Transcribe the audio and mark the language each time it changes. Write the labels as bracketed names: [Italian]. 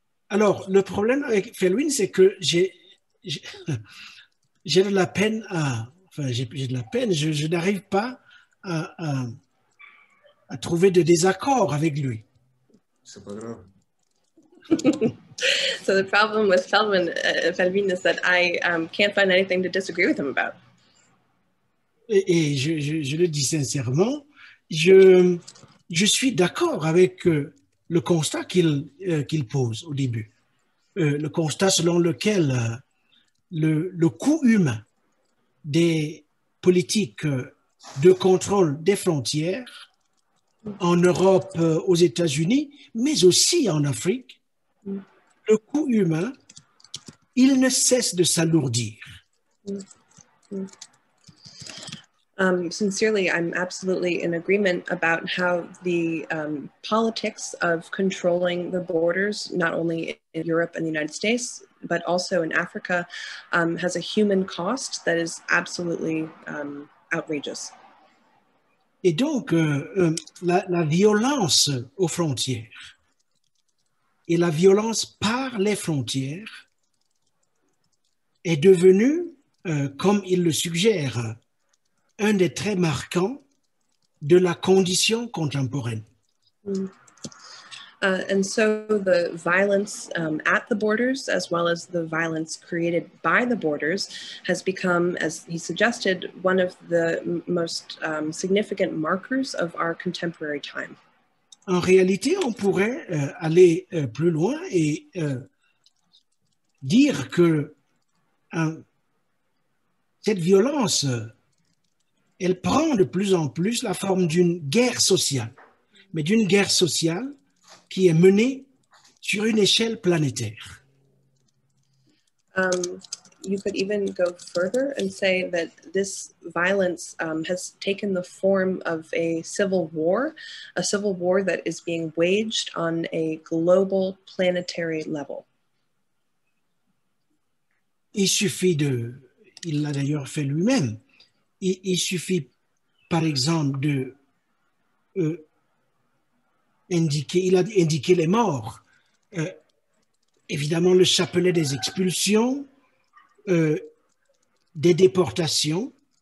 [French] Alors, le problème avec Felwine, c'est que j'ai de la peine à... j'ai de la peine, je n'arrive pas à trouver de désaccord avec lui. C'est pas grave. [English] So the problem with Felwine is that I can't find anything to disagree with him about. [French] Et je le dis sincèrement, je suis d'accord avec le constat qu'il pose au début. Le constat selon lequel le coût humain des politiques de contrôle des frontières en Europe, aux États-Unis, mais aussi en Afrique, le coût humain, il ne cesse de s'alourdir. [English] Sincerely, I'm absolutely in agreement about how the politics of controlling the borders, not only in Europe and the United States, but also in Africa, has a human cost that is absolutely outrageous. [French] Et donc, la violence aux frontières, et la violence par les frontières est devenue, comme il le suggère, un des traits marquants de la condition contemporaine. [English] And so the violence at the borders, as well as the violence created by the borders, has become, as he suggested, one of the most significant markers of our contemporary time. [French] En réalité, on pourrait aller plus loin et dire que cette violence, elle prend de plus en plus la forme d'une guerre sociale, mais d'une guerre sociale qui est menée sur une échelle planétaire. [English] You could even go further and say that this violence has taken the form of a civil war that is being waged on a global planetary level. [French] Il suffit de, il l'a d'ailleurs fait lui-même, il suffit par exemple de indiquer, il a indiqué les morts, évidemment le chapelet des expulsions, des déportations,